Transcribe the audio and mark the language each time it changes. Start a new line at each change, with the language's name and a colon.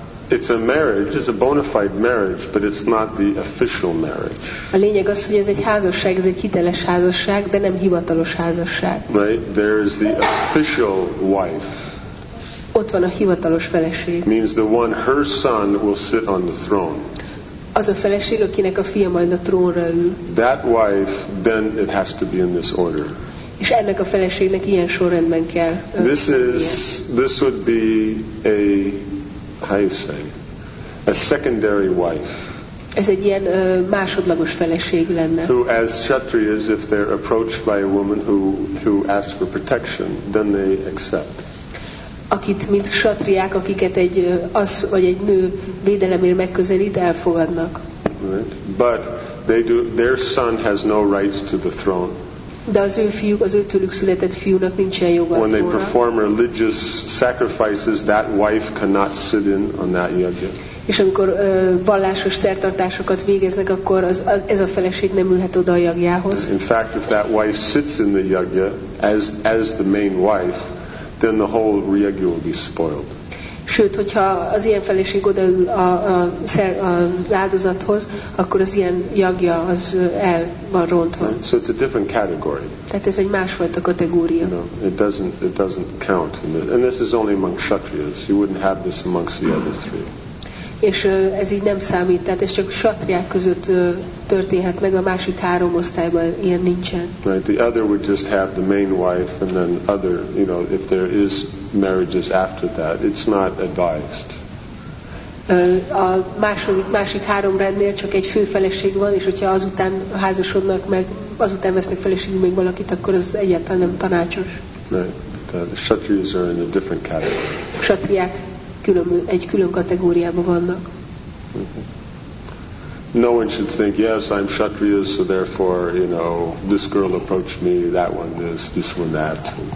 English: It's a marriage, it's a bona fide marriage, but it's not the official marriage.
Hungarian: A lényeg az, hogy ez egy házasság, ez egy hiteles házasság, de nem hivatalos házasság.
English: Right, there is the official wife.
Hungarian: Ott van a hivatalos feleség.
English: Means the one her son will sit on the throne.
Hungarian: Az a feleség, akinek a fia majd a trónra ül.
English: That wife, then it has to be in this order.
Hungarian: És ennek a feleségnek ilyen sorrendben kell.
English: This would be a, how you say, a secondary wife.
Hungarian: Ez egy ilyen másodlagos feleség lenne.
English: Who, as kshatriyas, if they're approached by a woman who asks for protection, then they accept.
Hungarian: Akit, mint kshatriyák, akiket egy az vagy egy nő védelemért megközelít, elfogadnak.
English: Right. But they do. Their son has no rights to the throne.
Hungarian: De az ő fiúk, az ő tőlük született fiúnak nincsen joga.
English: When they perform religious sacrifices, that wife cannot sit in on that yajna.
Hungarian: És amikor vallásos szertartásokat végeznek, akkor ez a feleség nem ülhet oda a jagjához.
English: In fact, if that wife sits in the yajna as the main wife, then the whole yajna will be spoiled.
Hungarian: Sőt, hogyha az ilyen feleség odaül a áldozathoz, akkor az ilyen jagja az el van rontva.
English: So it's a different category.
Hungarian: Tehát ez egy másfajta kategória.
English: No, it doesn't count. And this is only among kshatriyas. You wouldn't have this amongst the other three.
Hungarian: És ez így nem számít, tehát ez csak kshatriyák között történhet meg, a másik három osztályban ilyen nincsen.
English: Right, the other would just have the main wife and then other, you know, if there is marriages after that, it's not advised.
Hungarian: A másik három rendnél csak egy főfeleség van, és hogyha azután házasodnak meg, azután vesznek feleségül még valakit, akkor az egyáltalán nem tanácsos.
English: Right, the kshatriyas are in a different category.
Hungarian: Kshatriyák egy külön kategóriában vannak. Mm-hmm.
English: No one should think, yes, I'm kshatriya, so therefore, you know, this girl approached me, that one this one that.